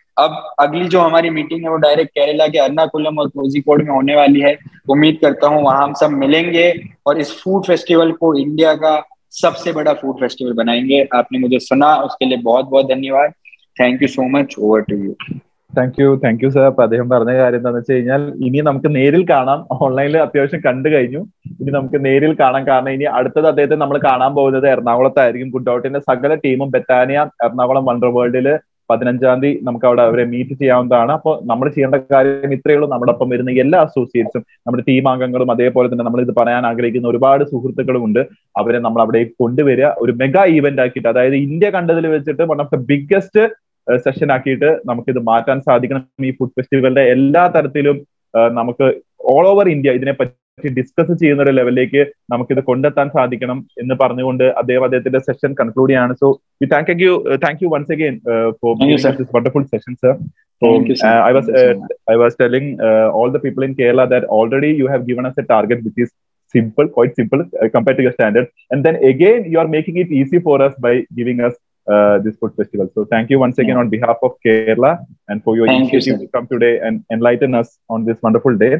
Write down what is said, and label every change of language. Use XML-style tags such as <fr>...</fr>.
<hi>अब अगली जो हमारी मीटिंग है वो डायरेक्ट केरला के अर्नाकुलम और कोझिकोड में होने वाली है. उम्मीद करता हूँ वहां हम सब मिलेंगे और इस फूड फेस्टिवल को इंडिया का सबसे बड़ा फूड फेस्टिवल बनाएंगे. आपने मुझे सुना, उसके लिए बहुत बहुत धन्यवाद.</hi> <en>Thank you so much. Over to you. Thank you sir.</en> <ml>അപ്പൊ അദ്ദേഹം പറഞ്ഞ കാര്യം എന്താണെന്ന് വെച്ച് കഴിഞ്ഞാൽ, ഇനി നമുക്ക് നേരിൽ കാണാം. ഓൺലൈനിൽ അത്യാവശ്യം കണ്ടു കഴിഞ്ഞു, ഇനി നമുക്ക് നേരിൽ കാണാം. കാരണം ഇനി അടുത്തത് അദ്ദേഹത്തെ നമ്മൾ കാണാൻ പോകുന്നത് എറണാകുളത്തായിരിക്കും. ഗുഡ് ഡോട്ടിന്റെ സകല ടീമും ബെത്താനിയ എറണാകുളം വണ്ടർ വേൾഡിൽ 15-ാം തീയതി നമുക്ക് അവിടെ അവരെ മീറ്റ് ചെയ്യാവുന്നതാണ്. അപ്പൊ നമ്മൾ ചെയ്യേണ്ട കാര്യം ഇത്രയേ ഉള്ളൂ. നമ്മുടെ ഒപ്പം വരുന്ന എല്ലാ അസോസിയേറ്റ്സും, നമ്മുടെ ടീം അംഗങ്ങളും, അതേപോലെ തന്നെ നമ്മൾ ഇത് പറയാൻ ആഗ്രഹിക്കുന്ന ഒരുപാട് സുഹൃത്തുക്കളും ഉണ്ട്, അവരെ നമ്മൾ അവിടേക്ക് കൊണ്ടുവരിക. ഒരു മെഗാ ഈവന്റ് ആക്കിയിട്ട്, അതായത് ഇന്ത്യ കണ്ടതിൽ വെച്ചിട്ട്</ml> <en>one of the biggest session</en> <ml>ആക്കിയിട്ട് നമുക്ക് ഇത് മാറ്റാൻ സാധിക്കണം. ഈ ഫുഡ് ഫെസ്റ്റിവലിന്റെ എല്ലാ തരത്തിലും നമുക്ക്</ml> <en>all over</en> <ml>ഇന്ത്യ ഇതിനെപ്പറ്റി ഡിസ്കസ് ചെയ്യുന്ന ഒരു ലെവലിലേക്ക് നമുക്കിത് കൊണ്ടെത്താൻ സാധിക്കണം എന്ന് പറഞ്ഞുകൊണ്ട് അദ്ദേഹത്തിന്റെ സെഷൻ കൺക്ലൂഡ് ചെയ്യാണ്.</ml> <en>So we thank you once again for this wonderful session sir. So I was telling all the people in Kerala that already you have given us a target which is simple, quite simple compared to your standard. And then again you are making it easy for us by giving us this food festival. So thank you once again on behalf of Kerala and for your initiative to come today and enlighten us on this wonderful day.</en>